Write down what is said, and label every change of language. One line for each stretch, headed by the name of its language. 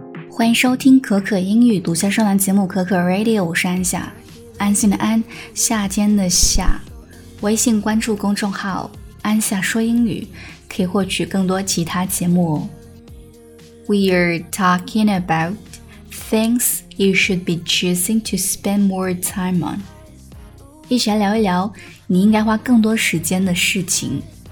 Chinese: 欢迎收听可可英语独家专栏节目可可 Radio， 我是安夏，安心的安，夏天的夏。微信关注公众号安夏说英语，可以获取更多其他节目哦。
English: We are talking about things you should be choosing to spend more time on.
Chinese: 一起来聊一聊你应该花更多时间的事情。